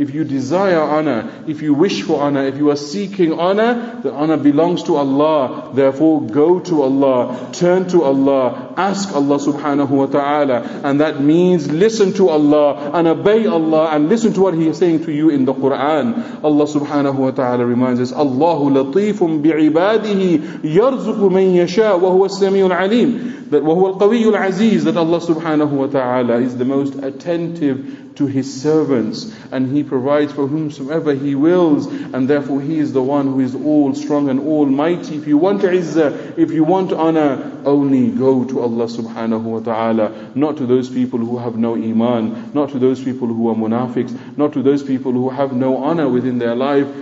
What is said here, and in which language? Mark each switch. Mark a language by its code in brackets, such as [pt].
[en] If you desire honor, if you wish for honor, if you are seeking honor, the honor belongs to Allah. Therefore, go to Allah, turn to Allah, ask Allah subhanahu wa ta'ala. And that means listen to Allah and obey Allah and listen to what He is saying to you in the Quran. Allah subhanahu wa ta'ala reminds us, Allah [ar] الله لطيف بعباده يرزق من يشاء وهو السميع العليم, وهو القوي العزيز. [en] That Allah subhanahu wa ta'ala is the most attentive to His servants, and He provides for whomsoever He wills, and therefore He is the one who is all strong and almighty. If you want izzah, if you want honor, only go to Allah subhanahu wa ta'ala, not to those people who have no iman, not to those people who are munafiqs, not to those people who have no honor within their life.